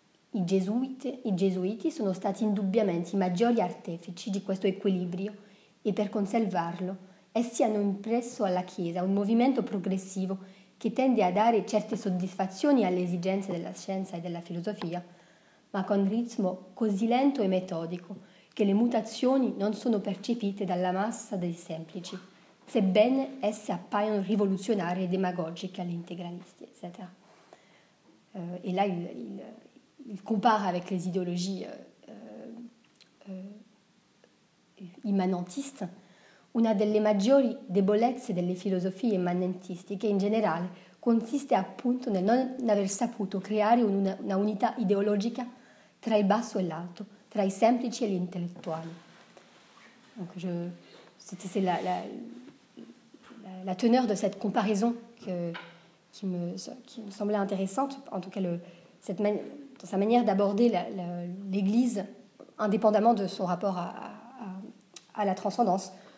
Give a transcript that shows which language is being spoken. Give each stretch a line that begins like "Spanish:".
Italian: I gesuiti sono stati indubbiamente i maggiori artefici di questo equilibrio e per conservarlo essi hanno impresso alla Chiesa un movimento progressivo che tende a dare certe soddisfazioni alle esigenze della scienza e della filosofia, ma con ritmo così lento e metodico che le mutazioni non sono percepite dalla massa dei semplici, sebbene esse appaiano rivoluzionarie e demagogiche agli integralisti, eccetera.
French: E là il compara avec les idéologies immanentiste.
Italian: Una delle maggiori debolezze delle filosofie immanentistiche in generale consiste appunto nel non aver saputo creare una unità ideologica tra il basso e l'alto, tra i semplici e gli intellettuali.
French: Donc c'est la teneur de cette comparaison qui me semblait intéressante, en tout cas dans sa manière d'aborder l'Église indépendamment de son rapport à la transcendance.